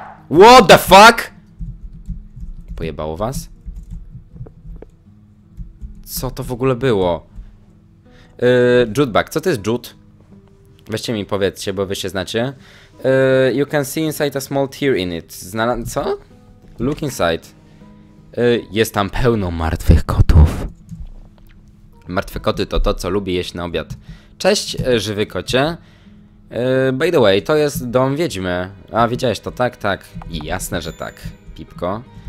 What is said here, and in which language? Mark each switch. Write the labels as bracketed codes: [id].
[en] What the fuck? [pl] Pojebało was? Co to w ogóle było? Jutebag, co to jest jut? Weźcie mi powiedzcie, bo wy się znacie. [en] You can see inside a small tear in it. Co? Look inside. [pl] Jest tam pełno martwych kotów. Martwe koty to co lubi jeść na obiad. Cześć, żywy kocie. [en] By the way, [pl] to jest dom wiedźmy. A, wiedziałeś to, tak, tak. I jasne, że tak, pipko.